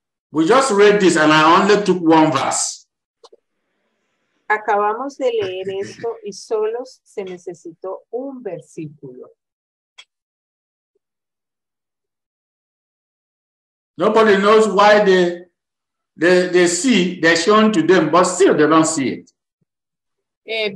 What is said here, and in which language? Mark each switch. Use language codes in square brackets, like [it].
[en] We just read this and I only took one verse. [es] Acabamos de leer esto y solo se necesitó un versículo. [en] Nobody knows why they see they're shown to them, but still they don't see it.